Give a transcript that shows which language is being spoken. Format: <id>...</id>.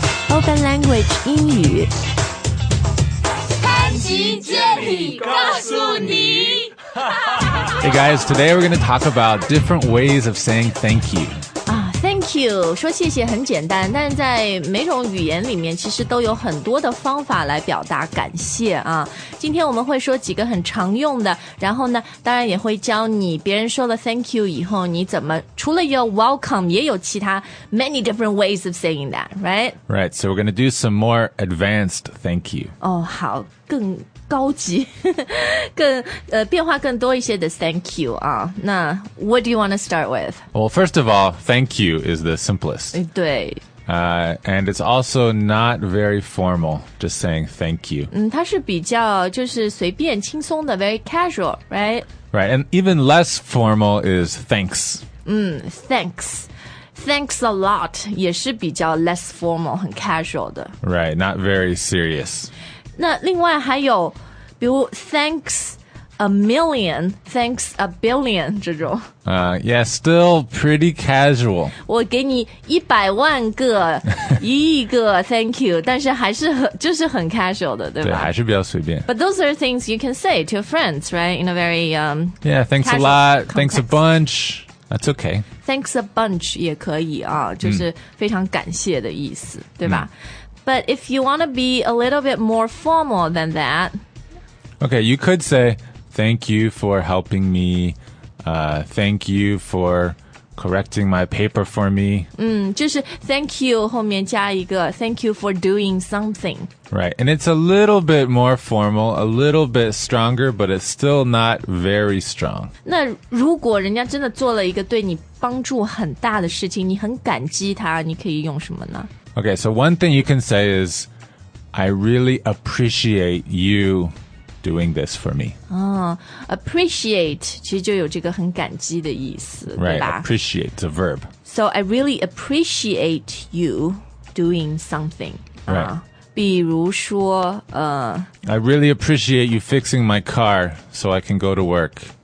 <zh>Open Language 英语，潘吉杰里告诉你。</zh> <en>Hey guys, today we're going to talk about different ways of saying thank you. Thank you.</en> <zh>说谢谢很简单，但在每种语言里面其实都有很多的方法来表达感谢啊。今天我们会说几个很常用的，然后呢，当然也会教你别人说了 thank you 以后你怎么，除了有 welcome, 也有其他</zh> <en>many different ways of saying that, right? Right, so we're going to do some more advanced thank you.</en> <zh>哦，好，更高级，更变化更多一些的 thank you 啊。</zh> <en>那 what do you want to start with? Well, first of all, thank you is the simplest.</en> <zh>对。</zh> <en>And it's also not very formal, just saying thank you.</en> <zh>它是比较就是随便轻松的 very casual, right?</zh> <en>Right, and even less formal is thanks. Thanks.</en> <zh>Thanks a lot 也是比较 less formal, 很 casual 的。</zh> <en>Right, not very serious.</en> <zh>那另外还有比如 thanks a million, thanks a billion 这种。</zh> <en>Yeah, still pretty casual.</en> <zh>我给你一百万个一亿个 thank you, 但是还是就是很 casual 的对吧对还是比较随便。</zh> <en>But those are things you can say to friends, right? In a very, Yeah, thanks a lot, thanks a bunch, that's okay. Thanks a bunch</en> <zh>也可以啊就是非常感谢的意思对吧、</zh> <en>But if you want to be a little bit more formal than that... Okay, you could say, thank you for helping me, thank you for correcting my paper for me.</en> <zh>就是 thank you 后面加一个 thank you for doing something.</zh> <en>Right, and it's a little bit more formal, a little bit stronger, but it's still not very strong.</en> <zh>那如果人家真的做了一个对你帮助很大的事情,你很感激他,你可以用什么呢?</zh> <en>Okay, so one thing you can say is, I really appreciate you doing this for me.</en> <zh>Appreciate, 其实就有这个很感激的意思</zh> <en>Right,</en> <zh>对吧?</zh> <en>appreciate, it's a verb. So I really appreciate you doing something. Right.</en> <zh>比如说</zh> <en>I really appreciate you fixing my car so I can go to work.</en>